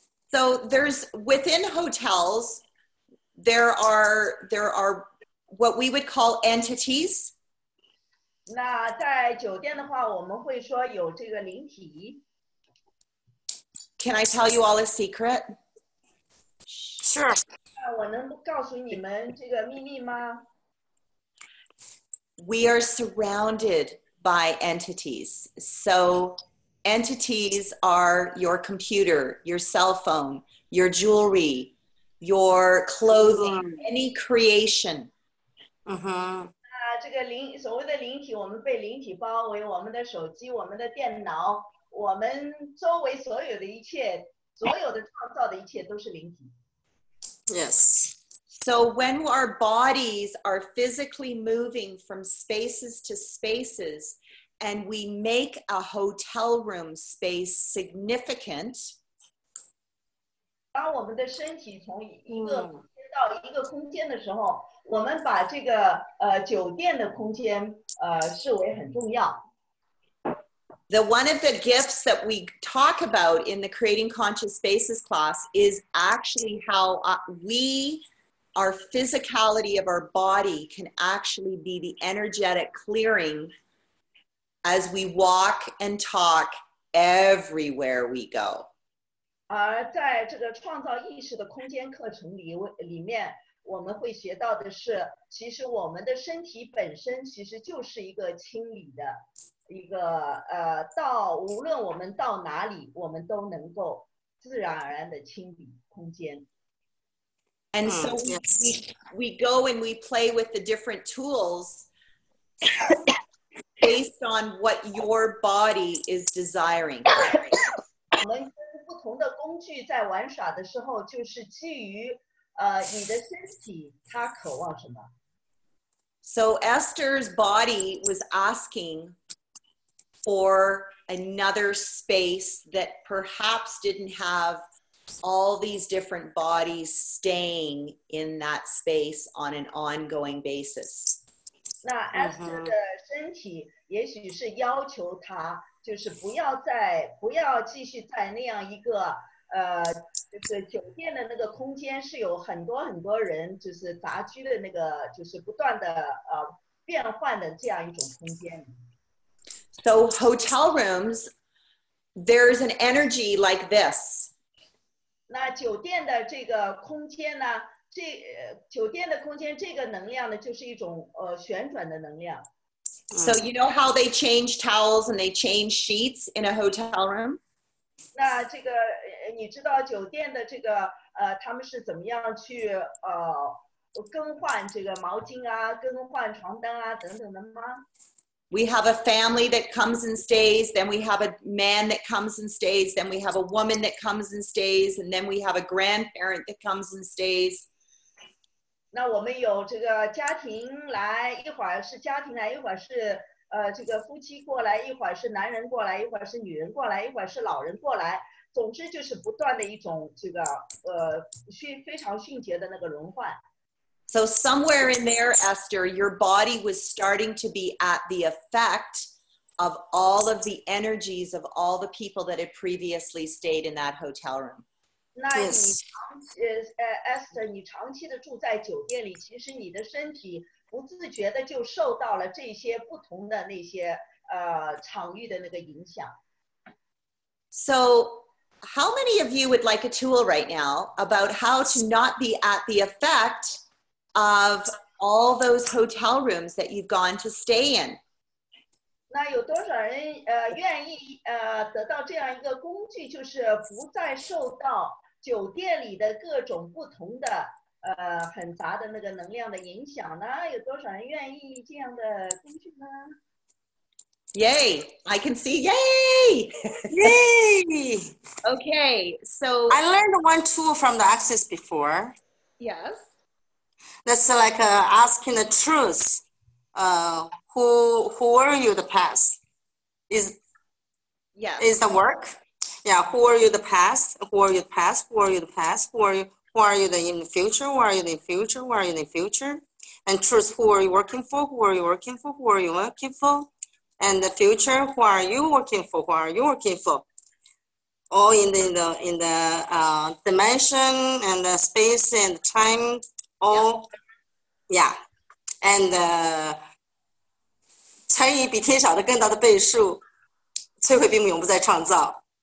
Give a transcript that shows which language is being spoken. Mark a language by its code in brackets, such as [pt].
[en] So there's within hotels, there are what we would call entities. [zh] 那在酒店的话，我们会说有这个灵体。 [en] Can I tell you all a secret? Sure. [zh] 那我能告诉你们这个秘密吗？ [en] We are surrounded by entities. So... Entities are your computer, your cell phone, your jewelry, your clothing, any creation. Uh-huh. [zh] 这个灵，所谓的灵体，我们被灵体包围，我们的手机，我们的电脑，我们周围所有的一切，所有的创造的一切都是灵体。 [en] Yes. So when our bodies are physically moving from spaces to spaces, and we make a hotel room space significant, [zh] 当我们的身体从一个空间到一个空间的时候，我们把这个酒店的空间视为很重要。 [en] The one of the gifts that we talk about in the Creating Conscious Spaces class is actually how we, our physicality of our body can actually be the energetic clearing as we walk and talk everywhere we go. [zh] 在这个创造意识的空间课程里面，我们会学到的是，其实我们的身体本身其实就是一个清理的。一个到无论我们到哪里，我们都能够自然而然的清理空间。 [en] And so we go and we play with the different tools based on what your body is desiring. [zh] 我们跟不同的工具在玩耍的时候，就是基于你的身体它渴望什么。 [en] So Esther's body was asking. For another space that perhaps didn't have all these different bodies staying in that space on an ongoing basis. [zh] 那 Esther 的身体也许是要求她，就是不要继续在那样一个就是酒店的那个空间是有很多很多人就是杂居的那个就是不断的变换的这样一种空间。 [en] So hotel rooms, there's an energy like this. [zh] 那酒店的这个空间呢，酒店的空间这个能量呢，就是一种旋转的能量。 [en] So you know how they change towels and they change sheets in a hotel room? [zh] 那这个你知道酒店的这个他们是怎么样去更换这个毛巾啊，更换床单啊等等的吗？ [en] We have a family that comes and stays, then we have a man that comes and stays, then we have a woman that comes and stays, and then we have a grandparent that comes and stays. [zh] 那我们有这个家庭来，一会儿是家庭来，一会儿是这个夫妻过来，一会儿是男人过来，一会儿是女人过来，一会儿是老人过来。总之就是不断的一种这个非常迅捷的那个轮换。 [en] So somewhere in there, Esther, your body was starting to be at the effect of all of the energies of all the people that had previously stayed in that hotel room. [zh] 那你长期Esther, 你长期的住在酒店里，其实你的身体不自觉的就受到了这些不同的那些场域的那个影响。 [en] So. How many of you would like a tool right now about how to not be at the effect of all those hotel rooms that you've gone to stay in? [zh] 那有多少人愿意得到这样一个工具，就是不再受到酒店里的各种不同的很杂的那个能量的影响呢？有多少人愿意这样的工具呢？ [en] Yay, I can see, yay! Yay! Okay, so... I learned one tool from the access before. Yes. That's like asking the truth. Who were you the past? Is the work? Yeah, who were you the past? Who were you the past? Who were you the past? Who are you in the future? Who are you in the future? Who are you in the future? And truth, who are you working for? Who are you working for? Who are you working for? And the future, who are you working for? Who are you working for? All in the dimension and the space and the time, all, yeah. [zh] And 乘以比天少的更大的倍数，摧毁并永不再创造。